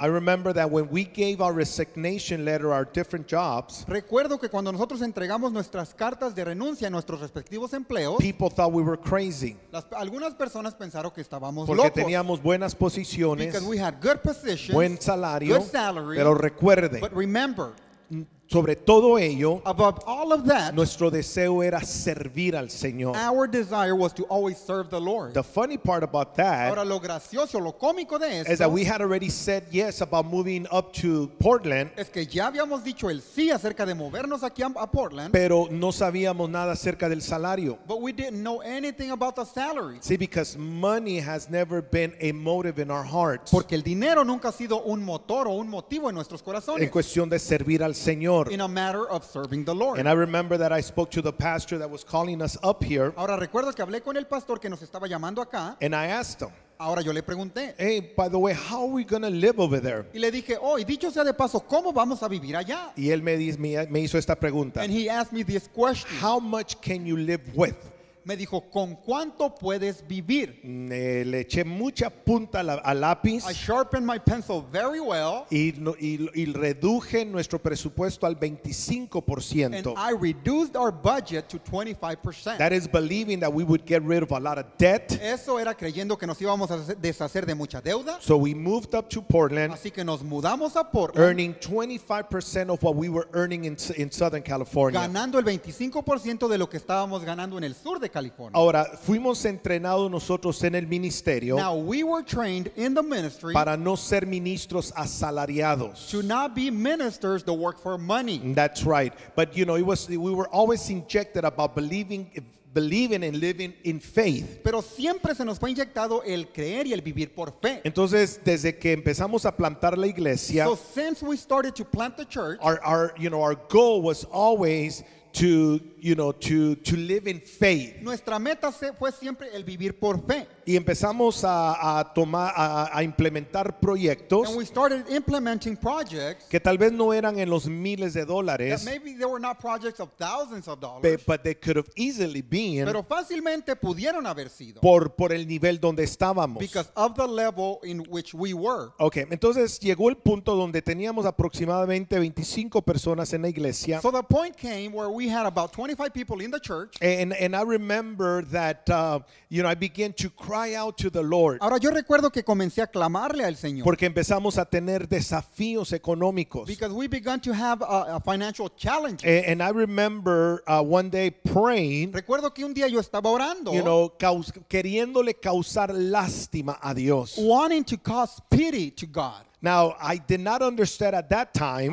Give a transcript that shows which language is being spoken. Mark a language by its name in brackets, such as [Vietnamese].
[English] I remember that when we gave our resignation letter, our different jobs. [Spanish] Recuerdo que cuando nosotros entregamos nuestras cartas de renuncia a nuestros respectivos empleos, [English] people thought we were crazy. [Spanish] Algunas personas pensaron que estábamos locos. Porque teníamos buenas posiciones. [English] Because we had good positions. [Spanish] Buen salario. [English] Good salary. [Spanish] Pero recuerde. [English] But remember. [Spanish] Sobre todo ello, [English] above all of that, [Spanish] nuestro deseo era servir al Señor. [English] Our desire was to always serve the Lord. The funny part about that, [Spanish] ahora, lo gracioso, lo cómico de esto, [English] is that we had already said yes about moving up to Portland. [Spanish] Es que ya habíamos dicho el sí acerca de movernos aquí a Portland. Pero no sabíamos nada acerca del salario. [English] But we didn't know anything about the salary. See, because money has never been a motive in our hearts. [Spanish] Porque el dinero nunca ha sido un motor o un motivo en nuestros corazones. En cuestión de servir al Señor. [English] In a matter of serving the Lord. And I remember that I spoke to the pastor that was calling us up here. [Spanish] Ahora recuerdo que hablé con el pastor que nos estaba llamando acá. [English] And I asked him. [Spanish] Ahora yo le pregunté. [English] Hey, by the way, how are we going to live over there? [Spanish] Y le dije, oh, y dicho sea de paso, ¿cómo vamos a vivir allá? Y él me hizo esta pregunta. [English] And he asked me this question. How much can you live with? [Spanish] Me dijo, ¿con cuánto puedes vivir? Le eché mucha punta al lápiz. [English] I sharpened my pencil very well. [Spanish] Y reduje nuestro presupuesto al 25%. [English] And I reduced our budget to 25%. That is believing that we would get rid of a lot of debt. [Spanish] Eso era creyendo que nos íbamos a deshacer de mucha deuda. [English] So we moved up to Portland. [Spanish] Así que nos mudamos a Portland. [English] Earning 25% of what we were earning in Southern California. [Spanish] Ganando el 25% de lo que estábamos ganando en el sur. Ahora fuimos entrenados nosotros en el ministerio. [English] Now we were trained in the ministry. [Spanish] Para no ser ministros asalariados. [English] To not be ministers that work for money. That's right. But you know, we were always injected about believing and living in faith. [Spanish] Pero siempre se nos fue inyectado el creer y el vivir por fe. Entonces, desde que empezamos a plantar la iglesia, [English] so since we started to plant the church, our goal was always to live in faith. [Spanish] Nuestra meta fue siempre el vivir por fe. Y empezamos a implementar proyectos. [English] And we started implementing projects [Spanish] que tal vez no eran en los miles de dólares. [English] That maybe they were not projects of thousands of dollars. But they could have easily been. [Spanish] Pero fácilmente pudieron haber sido. Por el nivel donde estábamos. [English] Because of the level in which we were. [Spanish] Okay, entonces llegó el punto donde teníamos aproximadamente 25 personas en la iglesia. [English] So the point came where we had about 25 people in the church. And I remember that I began to cry out to the Lord. [Spanish] Ahora yo recuerdo que comencé a clamarle al Señor. Porque empezamos a tener desafíos económicos. [English] Because we began to have a financial challenge. And I remember one day praying. [Spanish] Recuerdo que un día yo estaba orando. [English] You know, [Spanish] queriéndole causar lástima a Dios. [English] Wanting to cause pity to God. Now, I did not understand at that time.